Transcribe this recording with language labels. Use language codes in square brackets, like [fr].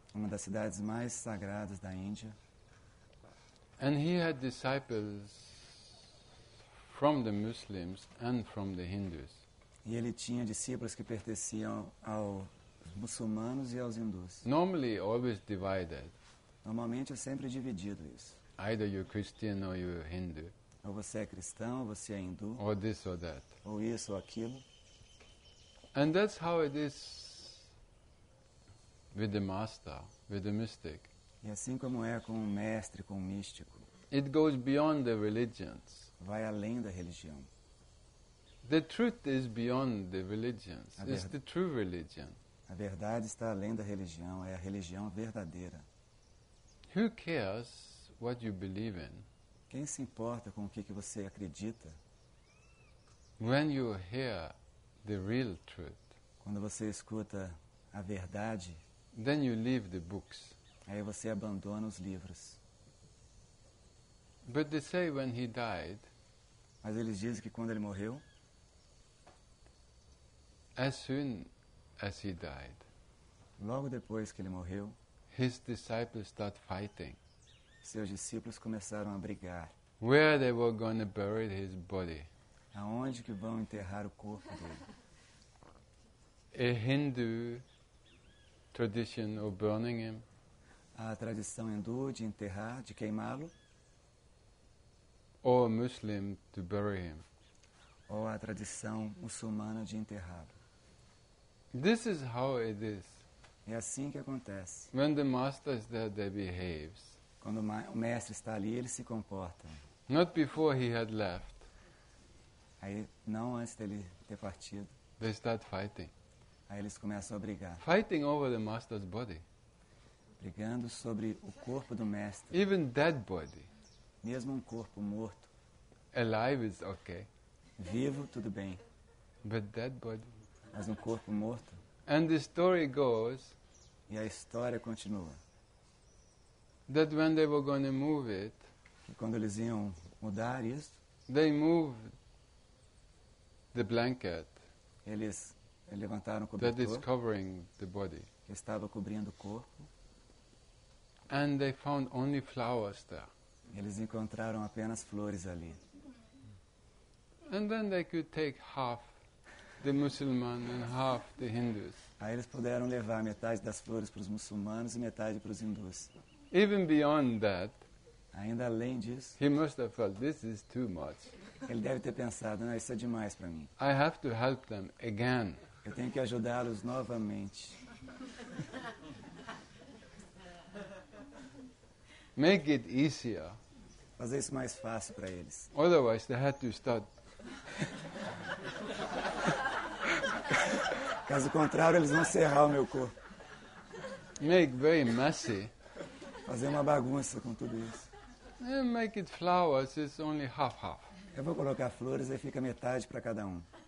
[pt] Uma das cidades mais sagradas da Índia. [en] And he had disciples from the Muslims and from the Hindus. [pt] E ele tinha discípulos que pertenciam aos muçulmanos e aos hindus. [en] Normally, always divided. [pt] Normalmente, é sempre dividido isso. [en] Either you're Christian or you're Hindu. [pt] Ou você é cristão, ou você é hindu. [en] Or this or that. [pt] Ou isso ou aquilo. [en] And that's how it is with the master, with the mystic. [pt] E assim como é com o mestre, com o místico. [en] It goes beyond the religions. [pt] Vai além da religião. [en] The truth is beyond the religions. It's the true religion. [pt] A verdade está além da religião, é a religião verdadeira. [en] Who cares what you believe in? [pt] Quem se importa com o que você acredita? [en] When you hear the real truth, [pt] quando você escuta a verdade, [en] then you leave the books. [pt] Aí você abandona os livros. [en] But they say when he died, [pt] mas eles dizem que quando ele morreu, [en] as soon as he died, [pt] logo depois que ele morreu, [en] his disciples start fighting. [pt] Seus discípulos começaram a brigar. [en] Where they were going to bury his body? [pt] Aonde que vão enterrar o corpo dele? [en] A Hindu tradition of burning him. [pt] A tradição hindu de enterrar, de queimá-lo. [en] Or a Muslim to bury him. [pt] Ou a tradição muçulmana de enterrá-lo. [en] This is how it is. [pt] É assim que acontece. [en] When the master is there, they behave. [pt] Quando o mestre está ali, ele se comporta. [en] Not before he had left. [pt] Aí, não antes dele ter partido. [en] They start fighting. [pt] Aí eles começam a brigar. [en] Fighting over the master's body. [pt] Brigando sobre o corpo do mestre. [en] Even dead body. [pt] Mesmo um corpo morto. [en] Alive is okay. [pt] Vivo, tudo bem. [en] But dead body. [pt] Mas um corpo morto. [en] And the story goes. [pt] E a história continua. [en] That when they were going to move it, [pt] que quando eles iam mudar isso, [en] they moved the blanket. [pt] Eles levantaram o cobertor. [en] That is covering the body. [pt] Que estava cobrindo o corpo. [en] And they found only flowers there. [pt] Eles encontraram apenas flores ali. [en] And then they could take half the Muslim and half the Hindus. [pt] Aí eles puderam levar metade das flores para os muçulmanos e metade para os hindus. [en] Even beyond that, [pt] ainda além disso, [en] he must have felt, this is too much. [pt] Ele deve ter pensado, não, isso é demais para mim. [en] I have to help them again. [pt] Eu tenho que ajudá-los novamente. [en] Make it easier. [pt] Fazer isso mais fácil para eles. [en] Otherwise, they had to start. [pt] Caso contrário, eles vão serrar o meu corpo. [en] Make very messy. [pt] Fazer uma bagunça com tudo isso. [en] And make it flowers, it's only half half. [pt] Eu vou colocar flores e fica metade para cada um.